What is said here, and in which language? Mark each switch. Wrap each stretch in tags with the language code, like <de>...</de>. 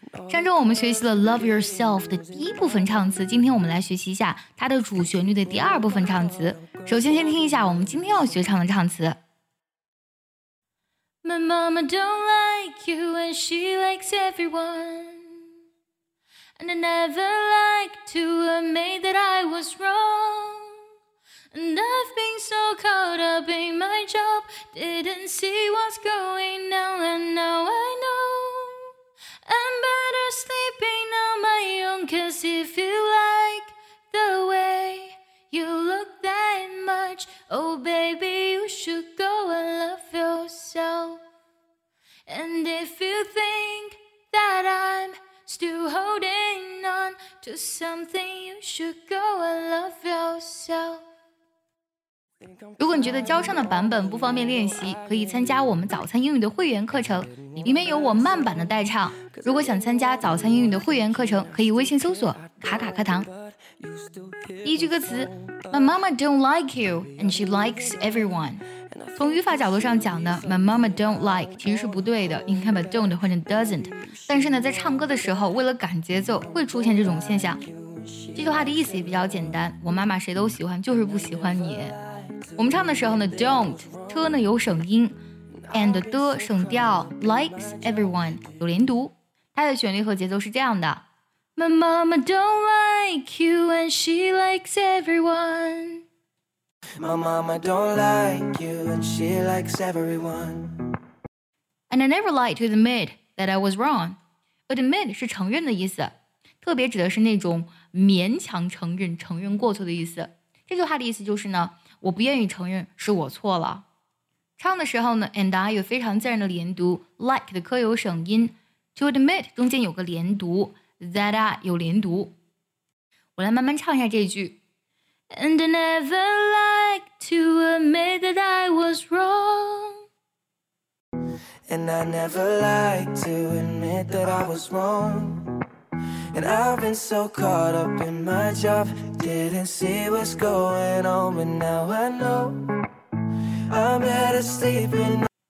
<zh>上周我们学习了 Love Yourself 的第一部分唱词，今天我们来学习一下它的主旋律的第二部分唱词。首先先听一下我们今天要学唱的唱词。</zh> <en>My mama don't like you and she likes everyone And I never liked to admit that I was wrong And I've been so caught up in my job Didn't see what's going on and now I knowI'm better sleeping on my own Cause if you like the way you look that much Oh baby, you should go and love yourself And if you think that I'm still holding on To something, you should go and love yourself</en> <zh>如果你觉得教唱的版本不方便练习，可以参加我们早餐英语的会员课程，里面有我慢版的代唱。如果想参加早餐英语的会员课程，可以微信搜索卡卡课堂。第一句歌词</zh> <en>My mama don't like you and she likes everyone。</en> <zh>从语法角度上讲呢 ，</zh> <en>My mama don't like</en> <zh>其实是不对的，应该把 don't 换成 doesn't。但是呢，在唱歌的时候，为了赶节奏，会出现这种现象。这句话的意思也比较简单，我妈妈谁都喜欢，就是不喜欢你。我们唱的时候呢 don't 特呢有省音 and 的省调 likes everyone 有连读它的旋律和节奏是这样的</zh> <en>My mama don't like you and she likes everyone My mama don't like you and she likes everyone And I never liked to admit that I was wrong</en> <zh>Admit 是承认的意思特别指的是那种勉强承认承认过错的意思这句话的意思就是呢我不愿意承认是我错了。唱的时候呢 ，and I 有非常自然的连读 ，like 的科有省音 ，to admit 中间有个连读 ，that I 有连读。我来慢慢唱一下这句</zh> <en>，and I never liked to admit that I was wrong。 and I never liked to admit that I was wrong。 And I've been so caught up in my job Didn't see what's going on But now I know I'm better sleeping</en>